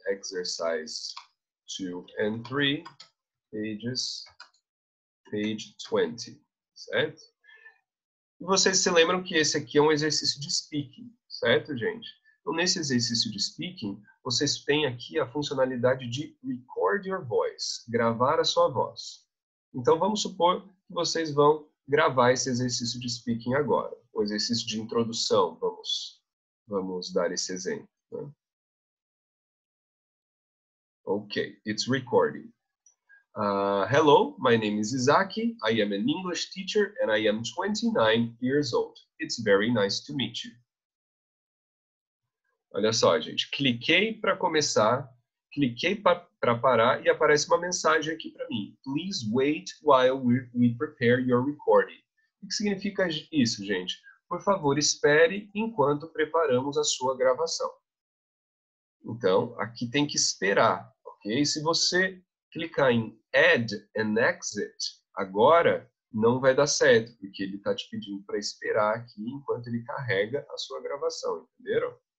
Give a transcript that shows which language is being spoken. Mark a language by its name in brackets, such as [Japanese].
[English] Exercise 2 and 3, page 20, certo? [Portuguese] E vocês se lembram que esse aqui é um exercício de speaking, certo, gente? Então, nesse exercício de speaking, vocês têm aqui a funcionalidade de [English] record your voice, [Portuguese] gravar a sua voz. Então, vamos supor que vocês vão gravar esse exercício de speaking agora. O exercício de introdução, vamos dar esse exemplo, né? [English] Ok, it's recording. Hello, my name is Isaac. I am an English teacher and I am 29 years old. It's very nice to meet you. [Portuguese] Olha só, gente. Cliquei para começar, cliquei para parar e aparece uma mensagem aqui para mim. [English] Please wait while we prepare your recording. [Portuguese] O que significa isso, gente? Por favor, espere enquanto preparamos a sua gravação. Então, aqui tem que esperar. Okay? Se você clicar em Add and Exit agora, não vai dar certo, porque ele está te pedindo para esperar aqui enquanto ele carrega a sua gravação, entenderam?